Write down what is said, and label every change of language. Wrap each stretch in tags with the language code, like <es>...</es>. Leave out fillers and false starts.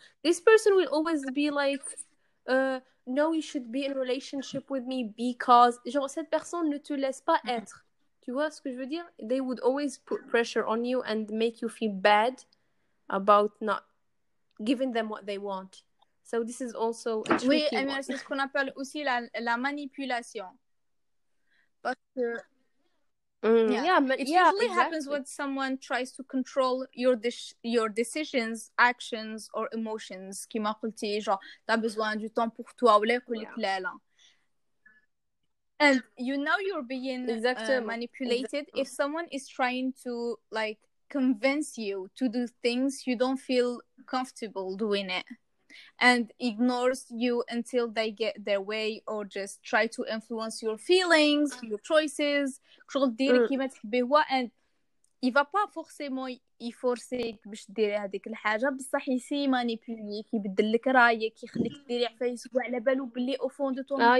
<en>This person will always be like, no, you should be in relationship with me because, genre,</en> <fr>cette personne ne te laisse pas être. Tu vois ce que je veux dire?</fr> <en>They would always put pressure on you and make you feel bad about not giving them what they want. So this is also a tricky one.</en> <fr>Oui, mais c'est ce qu'on appelle aussi la manipulation. Parce que...</fr> <en>It usually happens when someone tries to control your decisions, actions or emotions.</en> <fr>Comme tu as dit, genre, t'as besoin du temps pour toi ou l'éclair.</fr> <en>And you know you're being manipulated if someone is trying to, like, convince you to do things you don't feel comfortable doing it and ignores you until they get their way or just try to influence your feelings, your choices.</en> <ar>And</ar> <fr>il va pas forcément y forcer que</fr> <ar>باش ديري هذيك الحاجه بصح يسي مانيبيولي كيبدل لك رايك يخليك ديري عفايس وعلى بالو بلي او فون دو تون</ar>